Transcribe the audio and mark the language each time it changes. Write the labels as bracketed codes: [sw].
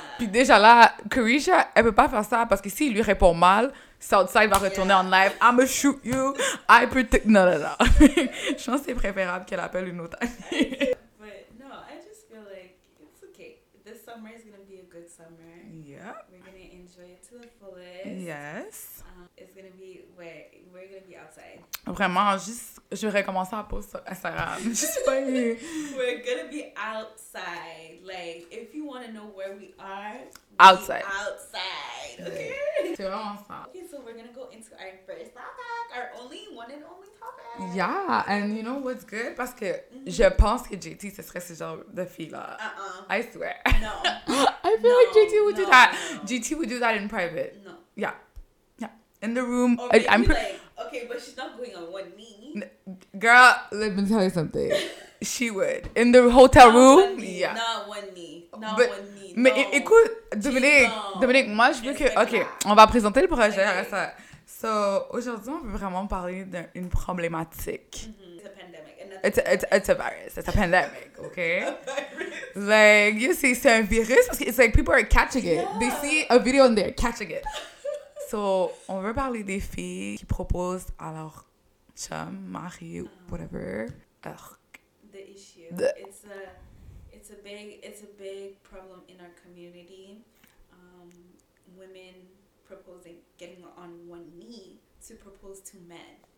[fr] Puis déjà là, Risha, elle ne peut pas faire ça, parce que s'il lui répond mal, Southside va retourner en live. [en] I'ma shoot you. I protect. [fr] Non, non, non. Je pense que c'est préférable qu'elle appelle une autre amie. [en] But no, I just feel like it's okay. This summer is going to be a good summer. Yeah. We're going to enjoy it to the fullest. Yes. It's going to be where? We're going to be outside. [fr] Vraiment, juste, je vais commencer à poster sur Instagram. Je sais pas. [en] We're going to be outside. Like, if you want to know where we are, outside. Okay, so we're gonna go into our first topic, our only one and only topic. Yeah, and you know what's good? [fr] Parce que je pense que JT, ce serait ce genre de fille-là. [en] I swear. No. I feel like JT would do that. No. JT would do that in private. No. Yeah. Yeah. In the room. Or maybe okay, but she's not going on one knee. Girl, let me tell you something. She would. In the hotel room? Not one knee. Yeah. Not one knee. Not [fr] mais écoute, Dominique, moi je veux que... Ok, on va présenter le projet. Okay. Ça. So, aujourd'hui, on veut vraiment parler d'une problématique. [en] It's a pandemic, ok? Like, you see, [fr] c'est un virus, parce que [en] it's like people are catching it. They see a video and they're catching it. [fr] So, on veut parler des filles qui proposent à leur chum, mari, whatever. [en] The issue. It's a big problem in our community. Women proposing, getting on one knee to propose to men.